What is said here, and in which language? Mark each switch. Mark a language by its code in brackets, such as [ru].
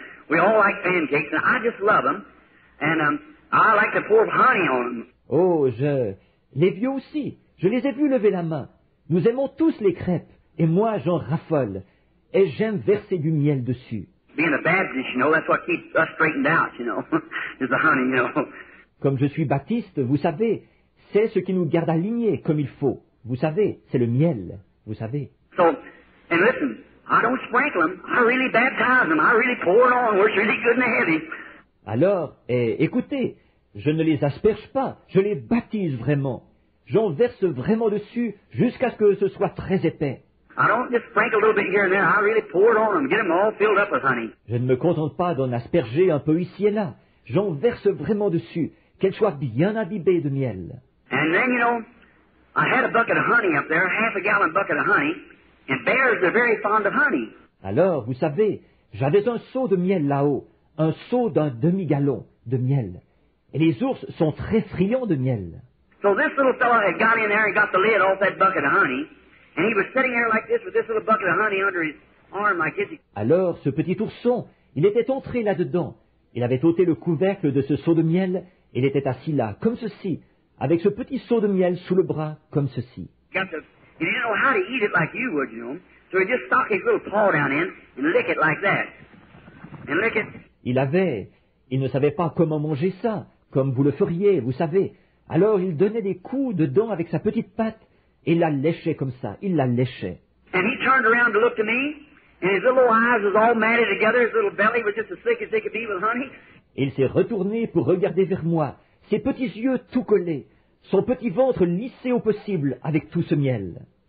[en] We all like pancakes, and I just love them. And I like to pour honey on them. [fr] Oh, je... Les vieux aussi. Je les ai vus lever la main. Nous aimons tous les crêpes. Et moi, j'en raffole. Et j'aime verser du miel dessus. [en] Being a Baptist, you know, that's what keeps us straightened out, you know. Is the honey, you know. [fr] Comme je suis baptiste, vous savez, c'est ce qui nous garde alignés comme il faut. Vous savez, c'est le miel. Vous savez. [en] So, and listen... I don't sprinkle them. I really baptize them. I really pour it on. It's really good and heavy. [fr] Alors, écoutez, je ne les asperge pas. Je les baptise vraiment. J'en verse vraiment dessus jusqu'à ce que ce soit très épais. [en] I don't just sprinkle a little bit here and there. I really pour it on them. Get them all filled up with honey. [fr] Je ne me contente pas d'en asperger un peu ici et là. J'en verse vraiment dessus qu'elles soient bien imbibées de miel. [en] And then you know, I had a bucket of honey up there, half a gallon bucket of honey. And bears are very fond of honey. [fr] Alors, vous savez, j'avais un seau de miel là-haut, un seau d'un demi-gallon de miel. Et les ours sont très friands de miel. [en] So this little fellow had got in there and got the lid off that bucket of honey. And he was sitting there like this with this little bucket of honey under his arm like this. [fr] Alors, ce petit ourson, il était entré là-dedans. Il avait ôté le couvercle de ce seau de miel et il était assis là, comme ceci, avec ce petit seau de miel sous le bras, comme ceci. [en] He didn't know how to eat it like you would, you know. So he just stuck his little paw down in and lick it like that. And lick it. [fr] Il ne savait pas comment manger ça, comme vous le feriez, vous savez. Alors il donnait des coups dedans avec sa petite patte et la léchait comme ça. Il la léchait. [en] And he turned around to look to me, and his little eyes was all matted together, his little belly was just as thick as they could be with honey. [fr] Il s'est retourné pour regarder vers moi, ses petits yeux tout collés. Son petit ventre lissé au possible avec tout ce miel.